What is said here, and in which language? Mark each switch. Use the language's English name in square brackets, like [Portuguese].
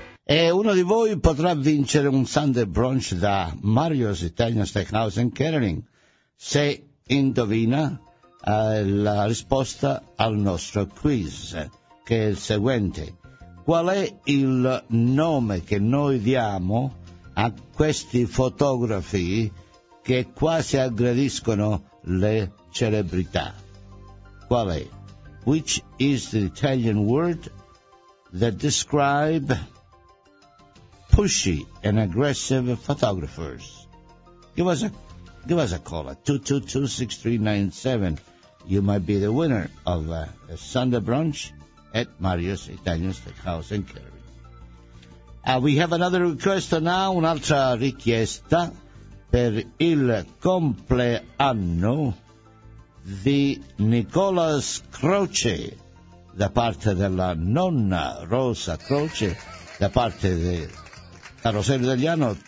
[Italian] E uno di voi potrà vincere un [English] Sunday brunch [Italian] da Mario's Italian Steakhouse and Catering se indovina la risposta al nostro quiz, che è il seguente: qual è il nome che noi diamo a questi fotografi che quasi aggrediscono le celebrità? Qual è? [English] Which is the Italian word that describe pushy and aggressive photographers? Give us a call at 222-6397. You might be the winner of a Sunday brunch at Mario's Italian Steakhouse and Catering. We have another request now, [Italian] un'altra richiesta per il compleanno di Nicolas Croce da parte della nonna Rosa Croce, da parte di Carosello Italiano.